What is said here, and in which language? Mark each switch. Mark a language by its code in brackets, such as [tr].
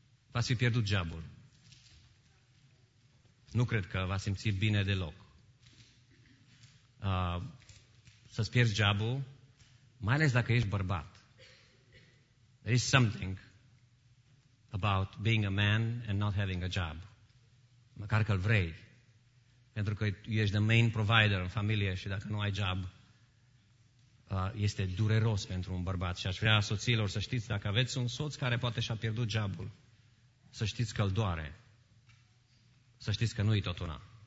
[ro] V-ați fi pierdut jobul. Nu cred că v-ați simți bine deloc. Să-ți pierzi jobul, mai ales dacă ești bărbat. [en] There is something about being a man and not having a job. [ro] Măcar că-l vrei. Pentru că ești [en] the main provider [ro] în familie și dacă nu ai job, este dureros pentru un bărbat. Și aș vrea soților să știți, dacă aveți un soț care poate și-a pierdut jobul, să știți că-l doare. Să știți că nu-i tot una.